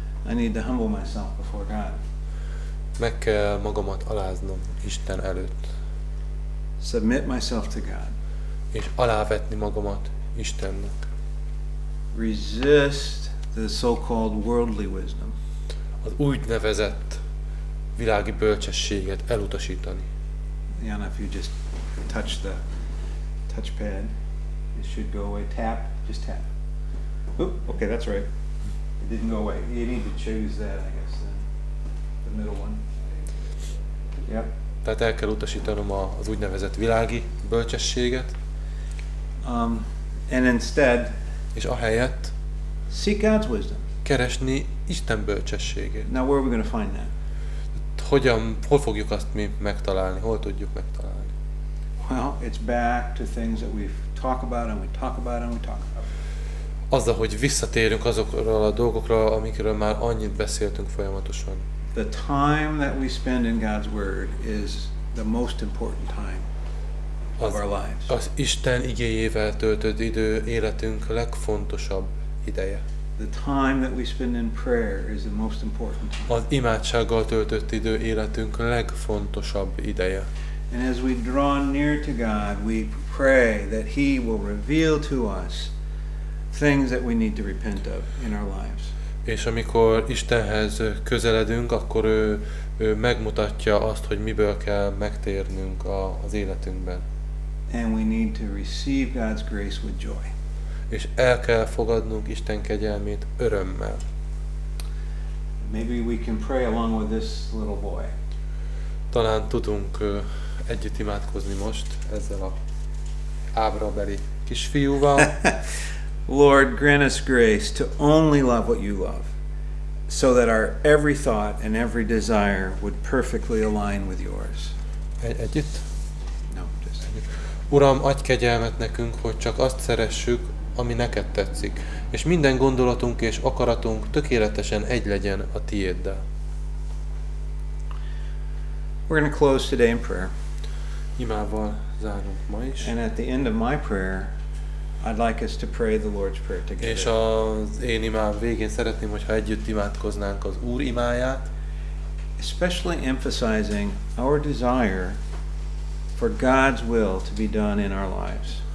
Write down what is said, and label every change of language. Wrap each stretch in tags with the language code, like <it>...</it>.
<en>I need to humble myself before God.</en> <hu>Meg kell magamat aláznom Isten előtt.</hu> <en>Submit myself to God.</en> <hu>És alávetni magamat Istennek.</hu> <en>Resist the so-called worldly wisdom.</en> <hu>Az úgynevezett világi bölcsességet elutasítani.</hu> <en>Yeah, if you just touch the touchpad, it should go away. Tap, just tap. Oop, okay, that's right. didn't go away. You need to choose that, I guess, the middle one. Yeah.</en> <hu>Tehát el kell utasítanom az úgynevezett világi bölcsességet.</hu> <en>And instead,</en> <hu>és ahelyett</hu> <en>seek God's wisdom.</en> <hu>Keresni Isten bölcsességét.</hu> <en>Now where are we going to find that?</en> <hu>Hogyan, hol fogjuk azt mi megtalálni? Hol tudjuk megtalálni?</hu> <en>Well, it's back to things that we've talked about and we talk about and we talk about.</en> <hu>Azzal, hogy visszatérünk azokról a dolgokra, amikről már annyit beszéltünk folyamatosan.</hu> <en>The time that we spend in God's word is the most important time of our lives.</en> <hu>Az Isten igéjével töltött idő életünk legfontosabb ideje.</hu> <en>The time that we spend in prayer is the most important time.</en> <hu>Az imádsággal töltött idő életünk legfontosabb ideje.</hu> <en>And as we draw near to God, we pray that he will reveal to us things that we need to repent of in our lives.</en> <hu>És amikor Istenhez közeledünk, akkor ő megmutatja azt, hogy miből kell megtérnünk az életünkben.</hu> <en>And we need to receive God's grace with joy.</en> <hu>És el kell fogadnunk Isten kegyelmét örömmel.</hu> <en>Maybe we can pray along with this little boy.</en> <hu>Talán tudunk együtt imádkozni most ezzel a ábrabeli kisfiúval.</hu> <en>Lord, grant us grace to only love what you love, so that our every thought and every desire would perfectly align with yours.</en> <hu>Együtt?</hu> <en>No, just együtt.</en> <hu>Uram, adj kegyelmet nekünk, hogy csak azt szeressük, ami neked tetszik, és minden gondolatunk és akaratunk tökéletesen egy legyen a tiéddel.</hu> <en>We're going to close today in prayer.</en> <hu>Imával zárunk ma is.</hu> <en>And at the end of my prayer, I'd like us to pray the Lord's Prayer together.</en> <hu>És az én imám végén szeretném, hogyha együtt imádkoznánk az Úr imáját.</hu> <en>Especially emphasizing our desire for God's will to be done in our lives.</en>